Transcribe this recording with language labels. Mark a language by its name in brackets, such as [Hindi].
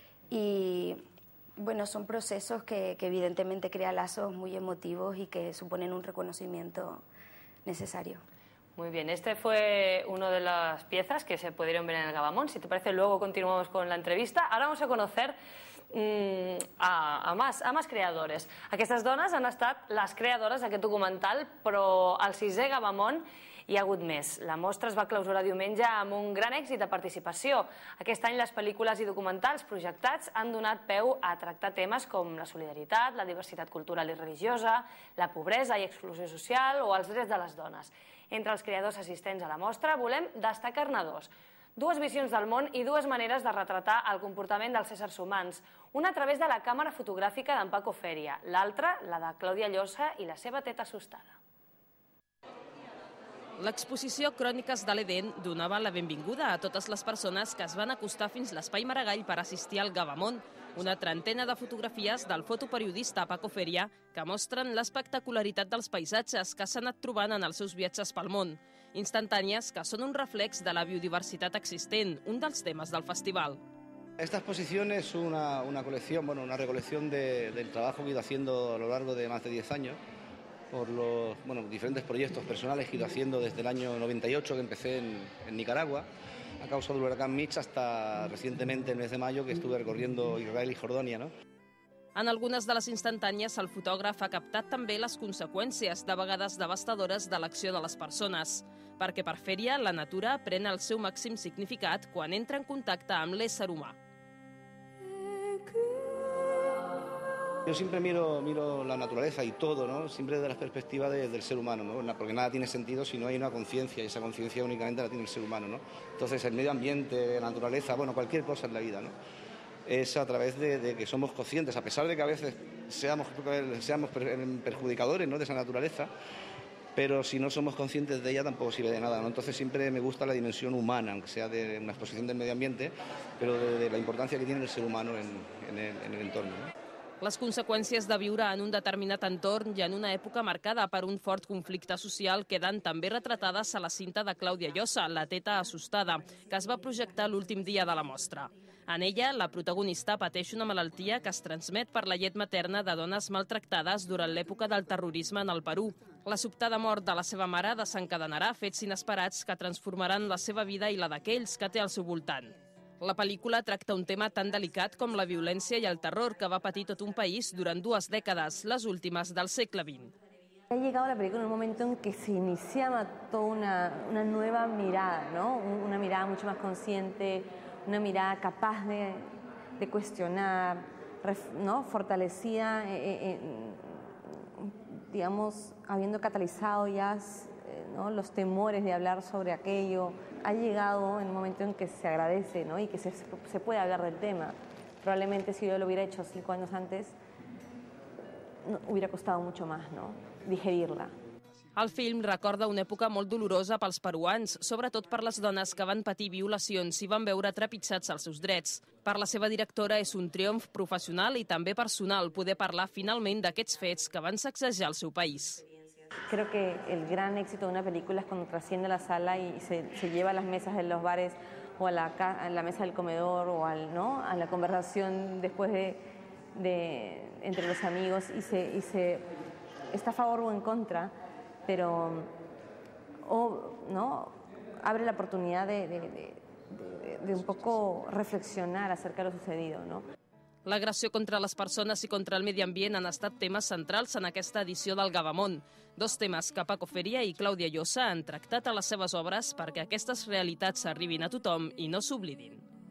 [Spanish] Y bueno, son procesos que evidentemente crean lazos muy emotivos y que suponen un reconocimiento necesario. Muy bien, este fue una de las piezas que se pudieron ver en el Gabamón. Si te parece, luego continuamos con la entrevista. Ahora vamos a conocer a más creadores. [Catalan] Aquestes dones han estat les creadores d'aquest documental, però al 6è Gabamón hi ha hagut més. La mostra es va clausurar diumenge amb un gran èxit de participació. Aquest any les pel·lícules i documentals projectats han donat peu a tractar temes com la solidaritat, la diversitat cultural i religiosa, la pobresa i exclusió social o els drets de les dones. Entre els creadors assistents a la mostra volem destacar-ne dos. Dues visions del món i dues maneres de retratar el comportament dels éssers humans. Una a través de la càmera fotogràfica d'en Paco Feria, l'altra la de Clàudia Llosa i la seva teta assustada. L'exposició Cròniques de l'Eden donava la benvinguda a totes les persones que es van acostar fins a l'Espai Maragall per assistir al Gabamón. Una trentena de fotografies del fotoperiodista Paco Feria que mostren l'espectacularitat dels paisatges que s'han anat trobant en els seus viatges pel món. Instantànies que són un reflex de la biodiversitat existent, un dels temes del festival. [Spanish] Esta exposición es una colección, bueno, una recolección del trabajo que he ido haciendo a lo largo de más de 10 años por los, bueno, diferentes proyectos personales que he ido haciendo desde el año 98 que empecé en Nicaragua. A causa del huracán Mitch hasta recientemente, el mes de mayo, que estuve recorriendo Israel y Jordania, ¿no? [Catalan] En algunes de les instantànies, el fotògraf ha captat també les conseqüències, de vegades devastadores, de l'acció de les persones. Perquè per Feria, la natura pren el seu màxim significat quan entra en contacte amb l'ésser humà. [Spanish] Yo siempre miro la naturaleza y todo, ¿no? Siempre desde la perspectiva del ser humano, ¿no? Porque nada tiene sentido si no hay una conciencia, y esa conciencia únicamente la tiene el ser humano, ¿no? Entonces, el medio ambiente, la naturaleza, bueno, cualquier cosa en la vida, ¿no? Es a través de que somos conscientes, a pesar de que a veces seamos perjudicadores, ¿no?, de esa naturaleza, pero si no somos conscientes de ella tampoco sirve de nada, ¿no? Entonces siempre me gusta la dimensión humana, aunque sea de una exposición del medio ambiente, pero de la importancia que tiene el ser humano en el entorno, ¿no? [Catalan] Les conseqüències de viure en un determinat entorn i en una època marcada per un fort conflicte social queden també retratades a la cinta de Clàudia Llosa, La teta assustada, que es va projectar l'últim dia de la mostra. En ella, la protagonista pateix una malaltia que es transmet per la llet materna de dones maltractades durant l'època del terrorisme en el Perú. La sobtada mort de la seva mare desencadenarà fets inesperats que transformaran la seva vida i la d'aquells que té al seu voltant. La pel·lícula tracta un tema tan delicat com la violència i el terror que va patir tot un país durant dues dècades, les últimes del segle XX. [Spanish] Ha llegado la película en un momento en que se iniciaba toda una nueva mirada, ¿no? Una mirada mucho más consciente, una mirada capaz de cuestionar, ¿no? Fortalecida, digamos, habiendo catalizado ya, ¿no?, los temores de hablar sobre aquello. Ha llegado en un momento en que se agradece, ¿no?, y que se puede hablar del tema. Probablemente si yo lo hubiera hecho 5 años antes, no, hubiera costado mucho más, ¿no?, digerirla. [Catalan] El film recorda una època molt dolorosa pels peruans, sobretot per les dones que van patir violacions i van veure trepitjats els seus drets. Per la seva directora és un triomf professional i també personal poder parlar finalment d'aquests fets que van sacsejar el seu país. [Spanish] Creo que el gran éxito de una película es cuando trasciende la sala y se lleva a las mesas de los bares o a la mesa del comedor o al, ¿no?, a la conversación después de entre los amigos y se está a favor o en contra, pero o, ¿no?, abre la oportunidad de un poco reflexionar acerca de lo sucedido, ¿no? [Catalan] L'agressió contra les persones i contra el medi ambient han estat temes centrals en aquesta edició del Gabamón. Dos temes que Paco Feria i Clàudia Llosa han tractat a les seves obres perquè aquestes realitats arribin a tothom i no s'oblidin.